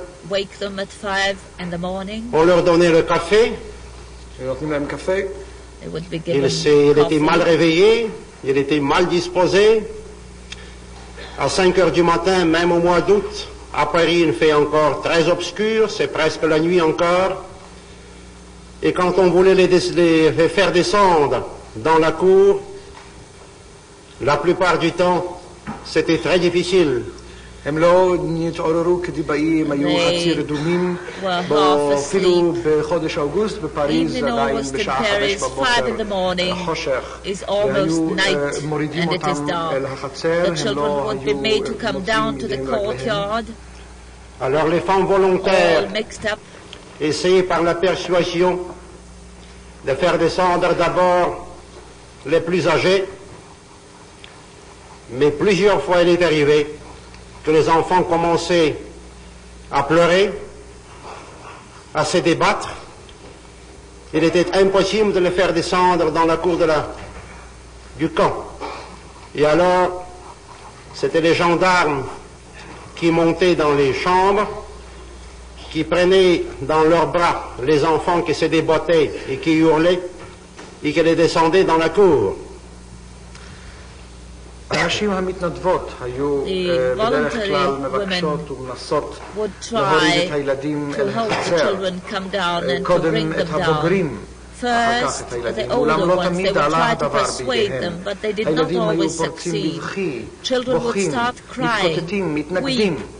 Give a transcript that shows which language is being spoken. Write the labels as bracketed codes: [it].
[en] wake them at 5 in the morning. [fr] On leur donnait le café. [en] They would be given coffee. [fr] Il était mal réveillé. Il était mal disposé. À 5 heures du matin, même au mois d'août, à Paris, il fait encore très obscur, c'est presque la nuit encore. Et quand on voulait les faire descendre dans la cour, la plupart du temps, c'était très difficile. [he] הם לא נתעוררו כדיבאים, היו חצי רדומים, אפילו בחודש אוגוסט בפריז, עדיין בשעה חמש בבוקר, חושך, והיו מורידים אותם אל החצר, הם לא היו מוצאים מדי להגיע. אז [fr] volontaires essayaient par la persuasion de faire descendre d'abord les plus âgés, mais plusieurs fois il est arrivé que les enfants commençaient à pleurer, à se débattre. Il était impossible de les faire descendre dans la cour du camp. Et alors, c'était les gendarmes qui montaient dans les chambres, qui prenaient dans leurs bras les enfants qui se débattaient et qui hurlaient, et qui les descendaient dans la cour. [he] הנשים המתנדבות היו בדרך כלל מבקשות ומנסות להוריד את הילדים אל החצר, קודם את הבוגרים, אחר כך את הילדים. אולם לא תמיד עלה הדבר בידיהם. הילדים היו פורצים בבכי, בוכים, מתקוטטים, מתנגדים.